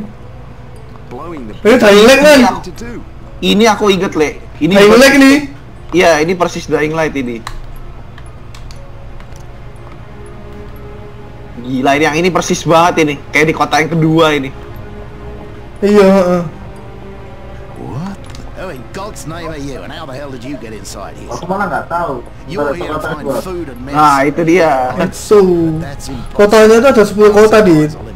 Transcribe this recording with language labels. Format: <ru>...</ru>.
<id>Okay. Eh, dying light kan? Ini aku inget, Le. Ini dying light ini? Iya, ini persis dying light ini. Gila, ini yang ini persis banget ini. Kayak di kota yang kedua ini. Iya,</id> <en>God's name are you, and how the hell did you get inside here?</en> <id>Aku malah nggak tahu.</id> <en>You're here to find food and medicine.</en> <id>Nah, itu dia. So, kotanya itu ada 10 kota di.</id>